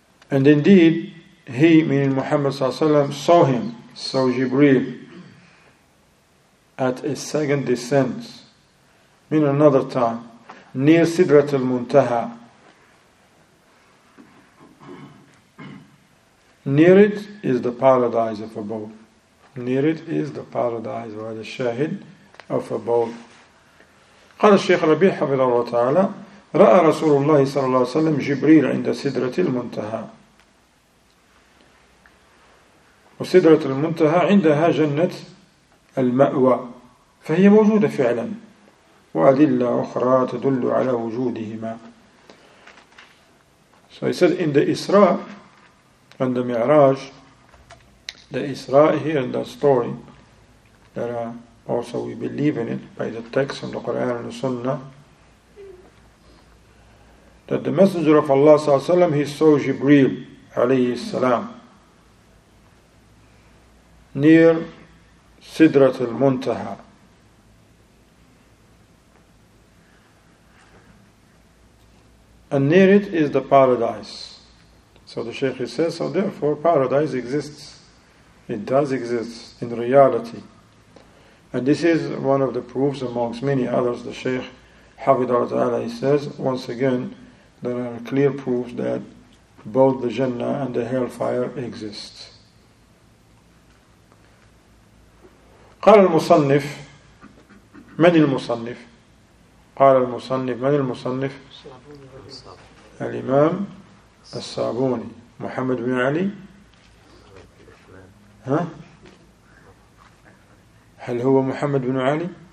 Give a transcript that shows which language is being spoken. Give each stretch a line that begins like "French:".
English: And indeed, he, meaning Muhammad sallallahu alayhi wa sallam, saw him, saw Jibreel, at a second descent, meaning another time, near Sidrat al-Muntaha. Near it is the paradise of abode. Near it is the paradise, or the shahid of abode.
Arabic: قال الشيخ ربيع حفظه الله تعالى رأى رسول الله صلى الله عليه وسلم جبريل عند سدرة المنتهى وسدرة المنتهى عندها جنة المأوى فهي موجودة فعلا وأدلة أخرى تدل على وجودهما.
English: So he said in the Isra and the Mi'raj, the Isra here in that story, that also we believe in it by the text from the Quran and the Sunnah, that the Messenger of Allah sallallahu alaihi wasallam, he saw Jibreel alayhi salam near Sidrat al-Muntaha. And near it is the paradise. So the Shaykh says, so therefore paradise exists. It does exist in reality. And this is one of the proofs amongst many others. The Shaykh Hafidhahu Ta'ala, he says, once again, there are clear proofs that both the Jannah and the Hellfire exist.
Arabic: قال المصنف من المصنف قال المصنف من المصنف الإمام الصابوني محمد بن علي ها هل هو محمد بن علي